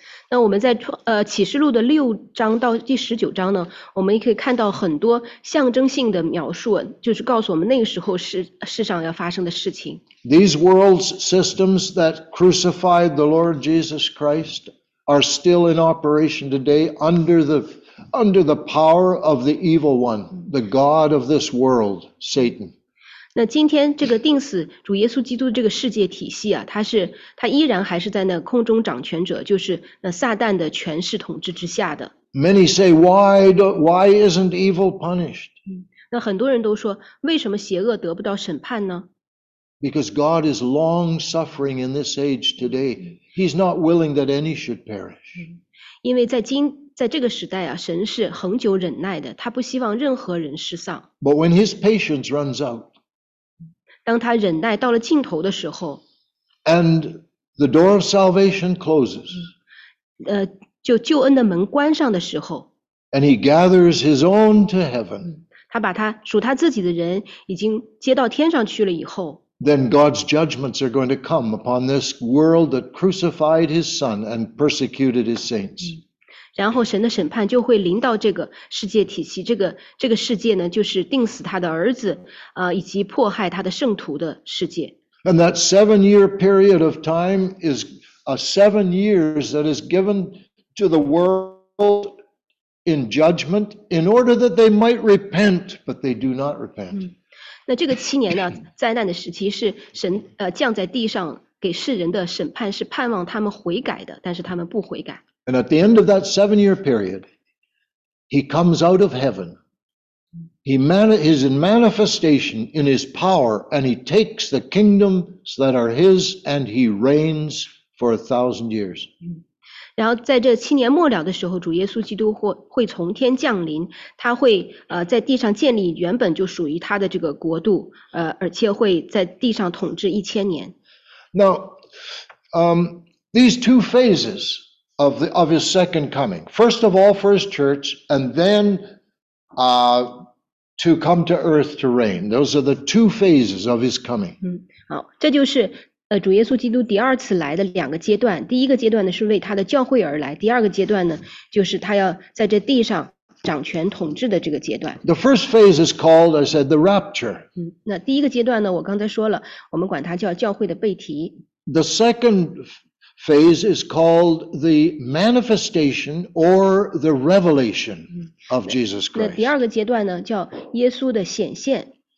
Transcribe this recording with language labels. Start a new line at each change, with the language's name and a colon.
Chinese: 那我们在启示录的六章到第十九章呢，我们也可以看到很多象征性的描述，就是告诉我们那个时候世上要发生的事情。
English: These world systems that crucified the Lord Jesus Christ are still in operation today under the power of the evil one, the God of this world, Satan.
Chinese: 那今天这个钉死主耶稣基督这个世界体系啊，它依然还是在那空中掌权者，就是那撒旦的权势统治之下的。
English: Many say why isn't evil punished？
Chinese: 那很多人都说，为什么邪恶得不到审判呢
English: ？Because God is long suffering in this age today. He's not willing that any should perish.
Chinese: 因为在这个时代啊，神是恒久忍耐的，他不希望任何人失丧。
English: But when His patience runs out.
Chinese: 当他忍耐到了尽头的时候
English: ，and the door of salvation closes，
Chinese: 就救恩的门关上的时候
English: ，and he gathers his own to heaven，
Chinese: 他把他属他自己的人已经接到天上去了以后
English: ，then God's judgments are going to come upon this world that crucified His Son and persecuted His saints。
Chinese: 然后神的审判就会临到这个世界体系，这个世界呢，就是钉死他的儿子，以及迫害他的圣徒的世界。
English: And that seven-year period of time is a 7 years that is given to the world in judgment in order that they might repent, but they do not repent.
Chinese: 那这个七年呢，灾难的时期是神降在地上给世人的审判，是盼望他们悔改的，但是他们不悔改。
English: And at the end of that seven-year period, he comes out of heaven. He is in manifestation in his power, and he takes the kingdoms that are his, and he reigns for 1,000 years.
Chinese: 然后在这七年末了的时候，主耶稣基督会从天降临，他会在地上建立原本就属于他的这个国度，而且会在地上统治1000年。
English: Now, these two phases of his second coming, first of all for his church, and then to come to earth to reign. Those are the two phases of his coming.
Chinese: 好，这就是。主耶稣基督第二次来的两个阶段，第一个阶段呢是为他的教会而来，第二个阶段呢就是他要在这地上掌权统治的这个阶段。
English: The first phase is called, I said, the rapture.
Chinese: 那第一个阶段呢，我刚才说了，我们管它叫教会的被提。
English: The second phase is called the manifestation or the revelation of Jesus Christ.
Chinese: 那第二个阶段呢叫耶稣的显现。